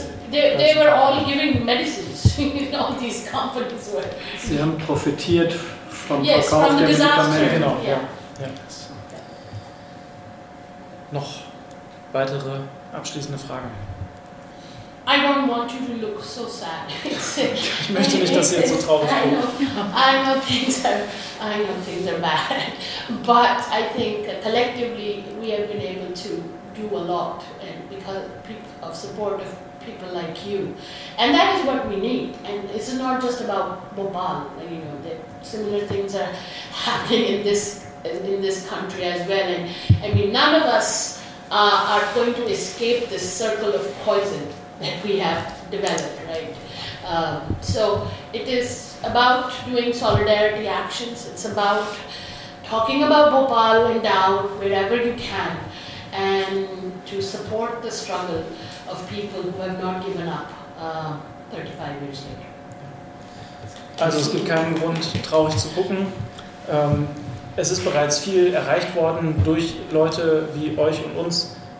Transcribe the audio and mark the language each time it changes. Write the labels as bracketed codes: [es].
[en] They were all giving medicines, all these companies were. [de] Sie haben profitiert vom Verkauf der Medikamente. Genau, [en] yeah. [de] Ja. Noch weitere abschließende Fragen. [en] I don't want you to look so sad. [de] Ich möchte nicht, dass ihr jetzt so traurig seid. [en] I know things are bad, but I think collectively we have been able to do a lot, and because of support of people like you, and that is what we need. And it's not just about Bhopal. You know, that similar things are happening in this country as well. And I mean, none of us are going to escape this circle of poison that we have developed, right? So it is about doing solidarity actions. It's about talking about Bhopal and Dau wherever you can, and to support the struggle of people who have not given up 35 years later. [de] Also es gibt keinen Grund, traurig zu gucken. Es ist bereits viel erreicht worden durch Leute wie euch und uns.